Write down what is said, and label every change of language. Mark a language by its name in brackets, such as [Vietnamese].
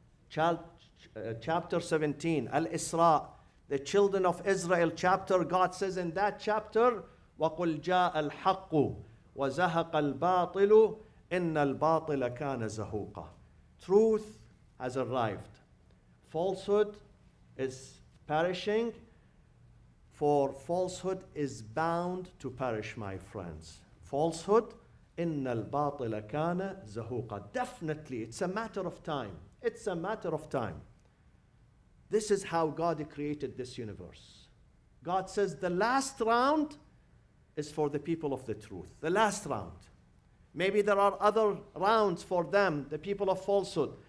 [English] Chapter 17, Al-Isra, the children of Israel chapter, God says in that chapter, [Arabic] وَقُلْ جَاءَ الْحَقُّ وَزَهَقَ الْبَاطِلُ إِنَّ الْبَاطِلَ كَانَ زَهُوقًا. [English] Truth has arrived. Falsehood is perishing, for falsehood is bound to perish, my friends. Falsehood, [Arabic] إِنَّ الْبَاطِلَ كَانَ زَهُوقًا. [English] Definitely, it's a matter of time. It's a matter of time. This is how God created this universe. God says the last round is for the people of the truth. The last round. Maybe there are other rounds for them, the people of falsehood.